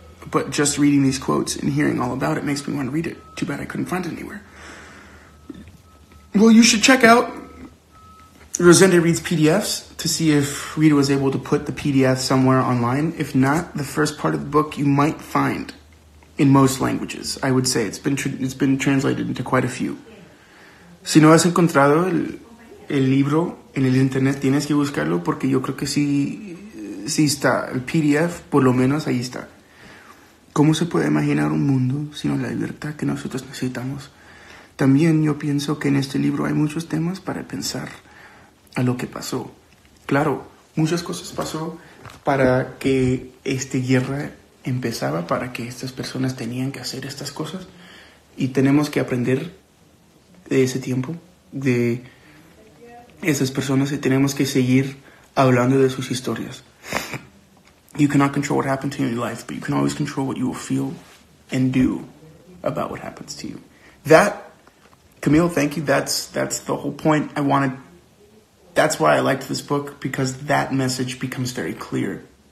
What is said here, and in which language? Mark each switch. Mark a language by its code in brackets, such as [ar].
[en] But just reading these quotes and hearing all about it makes me want to read it. Too bad I couldn't find it anywhere. Well, you should check out Rosende Reads PDFs to see if Rita was able to put the PDF somewhere online. If not, the first part of the book you might find in most languages, I would say. It's been translated into quite a few. [es] Si no has encontrado el libro en el internet, tienes que buscarlo porque yo creo que sí está. El PDF, por lo menos, ahí está. ¿Cómo se puede imaginar un mundo sino la libertad que nosotros necesitamos? También yo pienso que en este libro hay muchos temas para pensar a lo que pasó. Claro, muchas cosas pasó para que esta guerra empezara, para que estas personas tenían que hacer estas cosas. Y tenemos que aprender de ese tiempo, de esas personas, y tenemos que seguir hablando de sus historias. [en] You cannot control what happened to you in your life, but you can always control what you will feel and do about what happens to you. That, Camille, thank you. That's the whole point I wanted. That's why I liked this book, because that message becomes very clear.